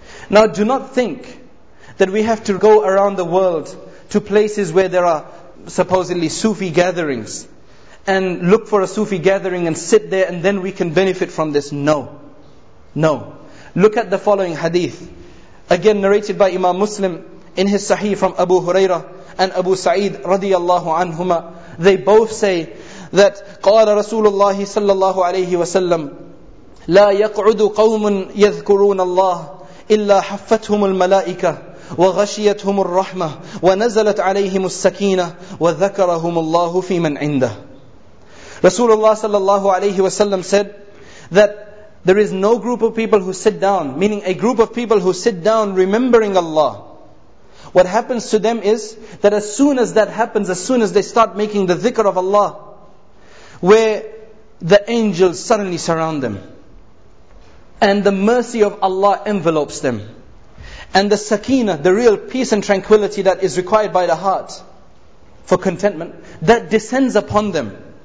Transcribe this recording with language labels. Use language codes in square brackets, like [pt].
[en] Now do not think that we have to go around the world to places where there are supposedly Sufi gatherings and look for a Sufi gathering and sit there and then we can benefit from this. No. No. Look at the following hadith. Again narrated by Imam Muslim in his Sahih from Abu Huraira and Abu Sa'id radiallahu anhuma. They both say that [ar] قَالَ رَسُولُ اللَّهِ صَلَّى اللَّهُ عَلَيْهِ وَسَلَّمْ لَا يَقْعُدُ قَوْمٌ يَذْكُرُونَ اللَّهِ إِلَّا حَفَّتْهُمُ الْمَلَائِكَةِ وغشيتهم الرحمة ونزلت عليهم السكينة وذكرهم الله في من عنده. [en] Rasulullah sallallahu alaihi wasallam said that there is no group of people who sit down, meaning a group of people who sit down remembering Allah, What happens to them is that as soon as that happens, as soon as they start making the dhikr of Allah, where the angels suddenly surround them, and the mercy of Allah envelopes them, and the sakina, the real peace and tranquility that is required by the heart for contentment, that descends upon them.